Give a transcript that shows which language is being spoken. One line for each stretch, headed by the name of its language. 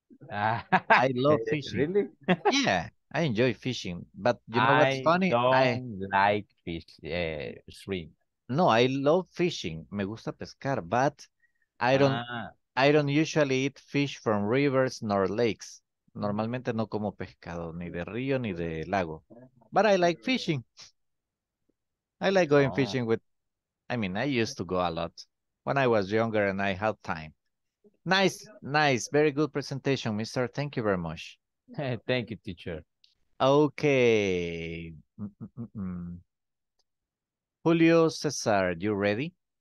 English: Really? Yeah. I enjoy fishing, but you know what's funny? I don't like shrimp. No, I love fishing.
Spanish: Me gusta pescar,
English: but I don't usually eat fish from rivers nor lakes.
Spanish: Normalmente no como pescado, ni de río, ni de lago.
English: But I like fishing. I like going fishing I used to go a lot when I was younger and I had time. Nice. Very good presentation, mister. Thank you very much. Thank you, teacher. Okay. Mm-mm-mm. Julio Cesar, you ready?